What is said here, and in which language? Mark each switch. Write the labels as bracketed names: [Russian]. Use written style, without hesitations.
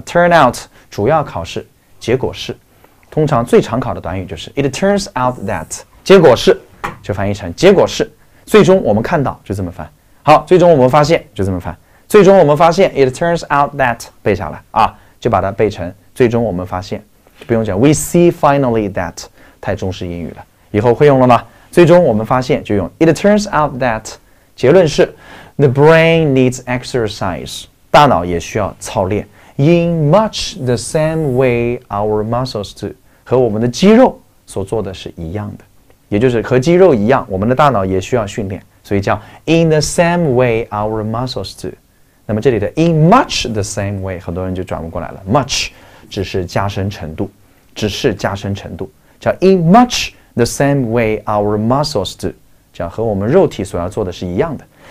[English] turn out [Chinese] 主要考试结果是，通常最常考的短语就是 [English] it turns out that， [Chinese] 结果是，就翻译成结果是，最终我们看到，就这么翻。好，最终我们发现，就这么翻。最终我们发现 ， [English] it turns out that， [Chinese] 背下来啊，就把它背成最终我们发现，不用讲 [English] we see finally that， [Chinese] 太中式英语了，以后会用了吗？最终我们发现就用 [English] it turns out that， [Chinese] 结论是 [English] the brain needs exercise， [Chinese] 大脑也需要操练 ， [English] in much the same way our muscles do， [Chinese] 和我们的肌肉所做的是一样的。也就是和肌肉一样，我们的大脑也需要训练，所以叫 [English] in the same way our muscles do。 [Chinese] 那么这里的 [English] in much the same way [Chinese] 很多人就转不过来了， much 只是加深程度，只是加深程度，叫 [English] in much the same way our muscles do， [Chinese] 叫和我们肉体所要做的是一样的。